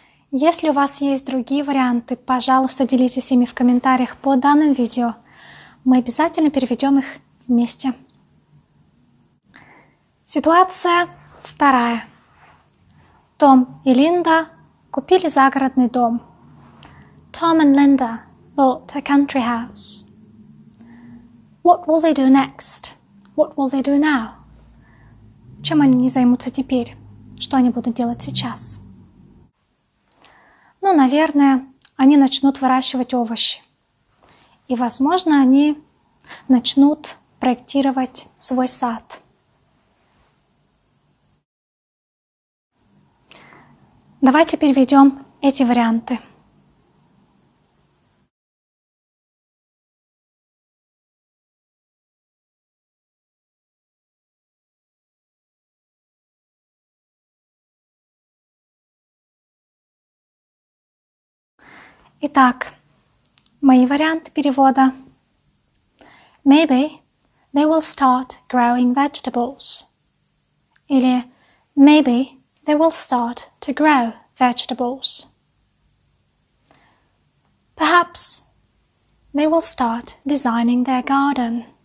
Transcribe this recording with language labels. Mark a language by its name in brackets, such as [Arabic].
[Russian] Если у вас есть другие варианты, пожалуйста, делитесь ими в комментариях под данным видео. Мы обязательно переведем их вместе. Ситуация вторая. Том и Линда купили загородный дом. [English] Tom and Linda bought a country house. What will they do next? What will they do now? [Russian] Чем они не займутся теперь? Что они будут делать сейчас? Ну, наверное, они начнут выращивать овощи. И, возможно, они начнут проектировать свой сад. Давайте переведем эти варианты. Итак, мои варианты перевода. [English] Maybe they will start growing vegetables. Или maybe they will start to grow vegetables. Perhaps they will start designing their garden.